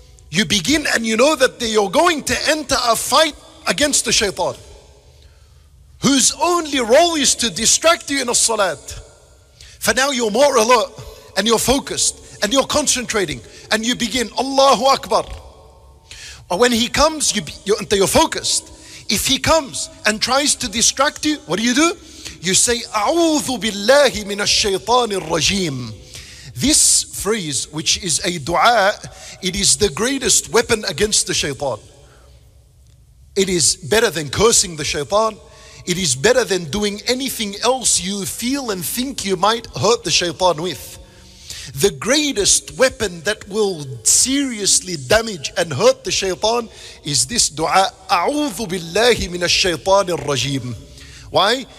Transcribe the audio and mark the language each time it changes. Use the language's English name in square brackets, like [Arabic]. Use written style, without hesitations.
[English] You begin and you know that you're going to enter a fight against the shaytan, whose only role is to distract you in a salat. For now you're more alert and you're focused and you're concentrating and you begin Allahu Akbar. Or when he comes, you're focused. If he comes and tries to distract you, what do? You say, [Arabic] أعوذ بالله من الشيطان الرجيم. [English] This phrase, which is a dua, it is the greatest weapon against the shaytan. It is better than cursing the shaytan. It is better than doing anything else you feel and think you might hurt the shaytan with. The greatest weapon that will seriously damage and hurt the shaytan is this dua, [Arabic] أعوذ بالله من الشيطان الرجيم. [English] Why?